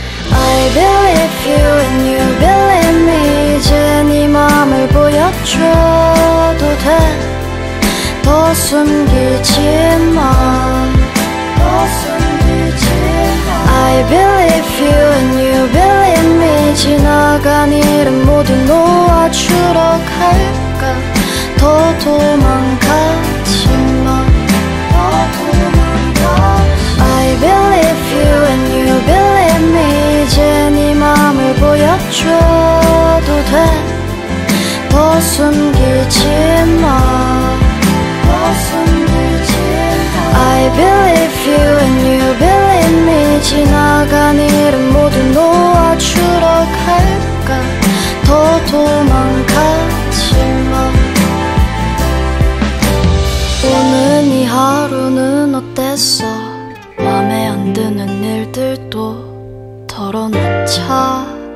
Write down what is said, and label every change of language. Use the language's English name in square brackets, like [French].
[English] I believe you and you believe me. [Korean] 이제 네 맘을 보여줘도 돼. 더 숨기지 마, 더 숨기지 마. [English] I believe you and you believe me. [Korean] 지나간 일은 모두 놓아주러 갈까. 더 도망가지 마, 더 도망가지 마. [English] I believe you and you believe me. [Korean] 이제 네 맘을 보여줘도 돼. 더 숨기지 마, 더 숨기지 마. [English] I believe you and you believe me. [Korean] 지나간 일은 모두 놓아주러 갈까. 더 도망가지 마. 오늘 이 하루는 어땠어? 맘에 안 드는 일들도 털어놓자.